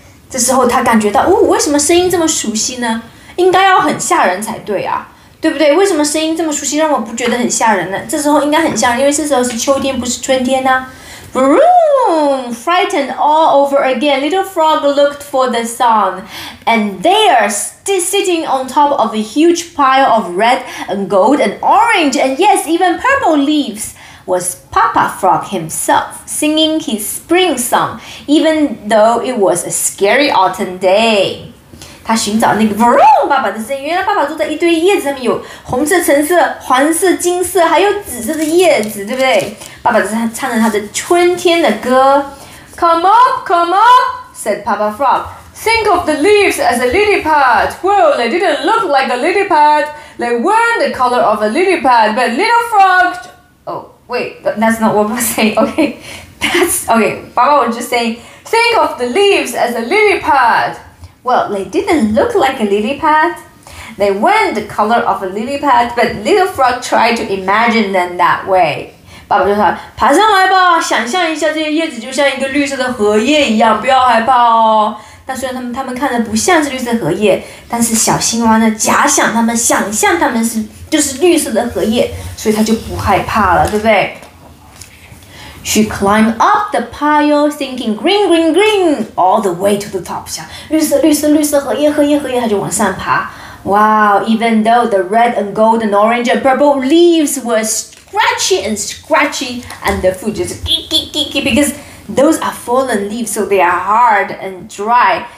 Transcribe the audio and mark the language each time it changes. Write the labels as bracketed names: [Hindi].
[Chinese] 这时候他感觉到，哦，为什么声音这么熟悉呢？应该要很吓人才对啊，对不对？为什么声音这么熟悉，让我不觉得很吓人呢？这时候应该很吓人，因为这时候是秋天，不是春天啊。 [English] Vroom! Frightened all over again, little frog looked for the sun, and there, sitting on top of a huge pile of red and gold and orange and yes, even purple leaves. Was Papa Frog himself singing his spring song, even though it was a scary autumn day? [Chinese] 他寻找那个 Vroom 爸爸的声音，原来爸爸坐在一堆叶子上面，有红色、橙色、黄色、金色，还有紫色的叶子，对不对？爸爸在唱着他的春天的歌。 [English] Come up, come up, said Papa Frog. Think of the leaves as a lily pad. Well, they didn't look like a lily pad. They weren't the color of a lily pad, but little frog. Wait, that's not what I was saying. Okay, that's okay. Baba was just saying, think of the leaves as a lily pad. Well, they didn't look like a lily pad. They weren't the color of a lily pad, but little frog tried to imagine them that way. [Chinese] 爸爸就说，爬上来吧，想象一下这些叶子就像一个绿色的荷叶一样，不要害怕哦。那虽然他们看着不像是绿色荷叶，但是小青蛙呢，假想他们，想象他们是就是绿色的荷叶，所以他就不害怕了，对不对？ [English] She climbed up the pile, thinking green, green, green, all the way to the top. [Chinese] 想绿色绿色绿色荷叶荷叶荷叶，她就往上爬。 [English] Wow, even though the red and gold and orange and purple leaves were scratchy and scratchy, and the food just kiki kiki, because those are fallen leaves, so they are hard and dry.